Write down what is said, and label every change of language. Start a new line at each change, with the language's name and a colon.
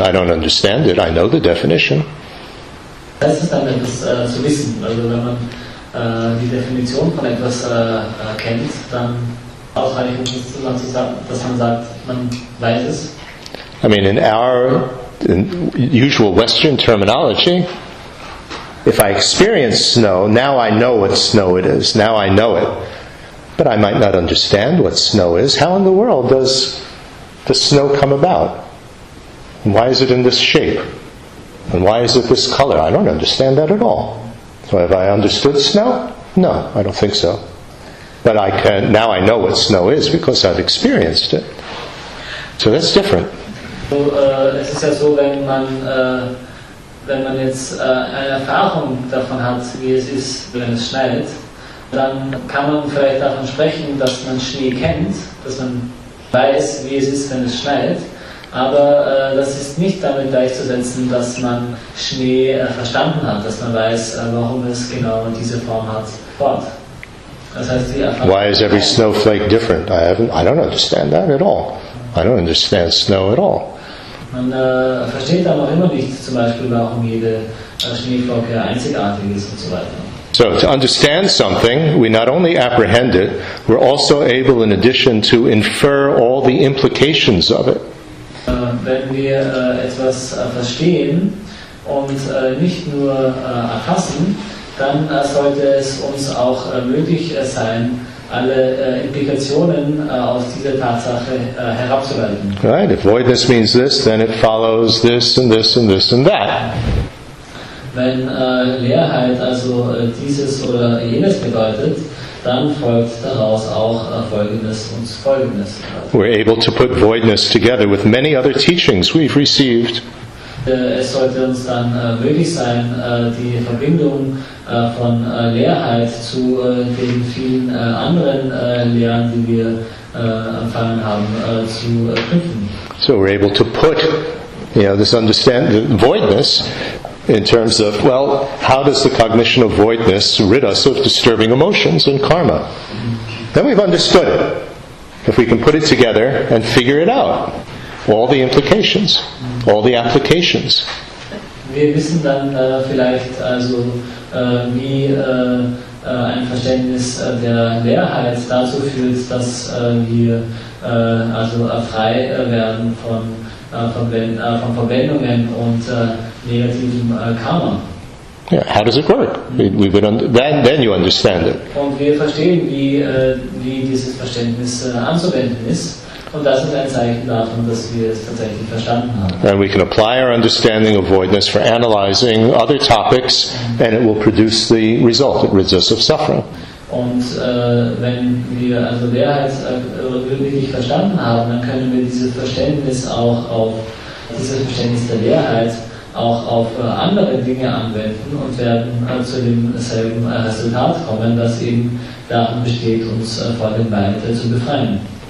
English: I don't understand it. I know the definition.
German: Das ist dann etwas zu wissen. Also wenn man die Definition von etwas kennt, dann auch eigentlich, dass man sagt, man weiß es.
English: I mean, in our usual Western terminology, if I experience snow, now I know what snow it is. Now I know it. but I might not understand what snow is. How in the world does the snow come about? And why is it in this shape? And why is it this color? I don't understand that at all. So have I understood snow? No, I don't think so. But I can, now I know what snow is because I've experienced it. So that's different.
German: So es ist ja so, wenn man jetzt eine Erfahrung davon hat, wie es ist, wenn es schneit, dann kann man vielleicht davon sprechen, dass man Schnee kennt, dass man weiß, wie es ist, wenn es schneit. Aber das ist nicht damit gleichzusetzen, dass man Schnee verstanden hat, dass man weiß, warum es genau diese Form hat. Fort. Das heißt, die Erfahrung.
English: Why is every snowflake different? I don't understand that at all. I don't understand snow at all.
German: Man versteht dann auch immer nicht, zum Beispiel, warum jede Schneeflocke einzigartig ist und so weiter.
English: So to understand something, we not only apprehend it, we're also able, in addition, to infer all the implications of it.
German: Wenn wir etwas verstehen und nicht nur erfassen, dann sollte es uns auch möglich sein, alle Implikationen aus dieser Tatsache herabzuleiten.
English: Right, if voidness means this, then it follows this and this and this and that.
German: Wenn Leerheit also dieses oder jenes bedeutet, dann folgt daraus auch Folgendes und Folgendes.
English: We're able to put voidness together with many other teachings we've received.
German: Es sollte uns dann möglich sein, die Verbindung von Leerheit zu den vielen anderen Lehren, die wir empfangen haben, zu knüpfen.
English: So we're able to put, you know, this understand the voidness in terms of, well, how does the cognition of voidness rid us of disturbing emotions and karma? Then we've understood it. If we can put it together and figure it out, all the implications, all the applications.
German: Wir wissen dann vielleicht also, wie ein Verständnis der Leerheit dazu führt, dass wir also frei werden von Verwendungen und negativen Karma.
English: Yeah, how does it work? We would then you understand it.
German: Und wir verstehen, wie dieses Verständnis anzuwenden ist. Und das ist ein Zeichen davon, dass wir es tatsächlich verstanden haben.
English: And we can apply our understanding of voidness for analyzing other topics, and it will produce the result. It rids us of suffering.
German: Und wenn wir also Leerheit wirklich verstanden haben, dann können wir dieses Verständnis der Leerheit auch auf andere Dinge anwenden und werden zu demselben Resultat kommen, das eben darin besteht, uns von dem Leid zu befreien.